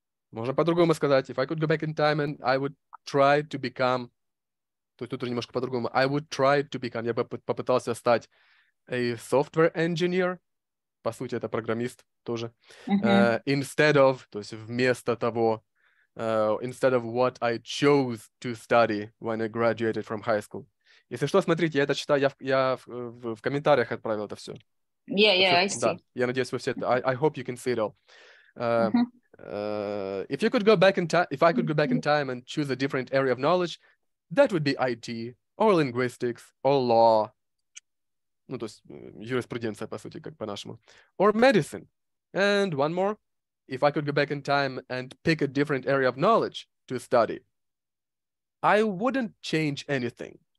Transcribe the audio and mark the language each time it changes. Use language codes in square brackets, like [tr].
[ru] Можно по-другому сказать, [en] if I could go back in time and I would try to become, [ru] то есть тут немножко по-другому, [en] I would try to become, [ru] я бы попытался стать [en] a software engineer, [ru] по сути, это программист тоже. [en] Instead of, [ru] то есть вместо того, [en] instead of what I chose to study when I graduated from high school. [ru] Если что, смотрите, я это читаю, я в комментариях отправил это все. [en] Yeah, I see. [ru] Да, я надеюсь, вы все это, [en] I hope you can see it all. If you could go back in time, if I could go back in time and choose a different area of knowledge, that would be IT, or linguistics, or law. [ru] Ну, то есть юриспруденция, по сути, как по-нашему. [en] Or medicine. And one more. If I could go back in time and pick a different area of knowledge to study, I wouldn't change anything.